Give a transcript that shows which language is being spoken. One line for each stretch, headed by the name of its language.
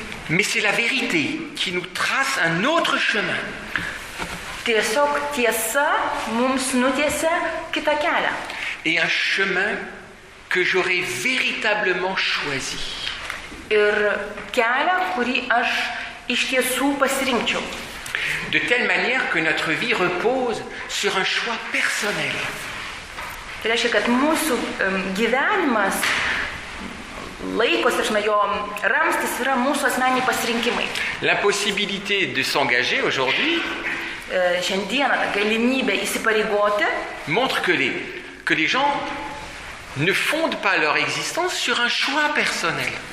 French: Mais c'est la vérité qui nous trace un autre chemin.
Lithuanian: Tiesiog tiesa mums nutiesia kitą kelią.
French: Et un chemin que j'aurais véritablement choisi.
Lithuanian: Ir kelią, kurį aš iš tiesų pasirinkčiau.
French: De telle manière que notre vie repose sur un choix personnel.
Lithuanian: Tai reiškia, kad mūsų gyvenimas laikos, žinai, jo ramstis yra mūsų asmeniniai pasirinkimai.
French: L'impossibilité de s'engager aujourd'hui
Lithuanian: šiandieną galimybė įsipareigoti
French: montre que les gens ne fondent pas leur existence sur un choix personnel.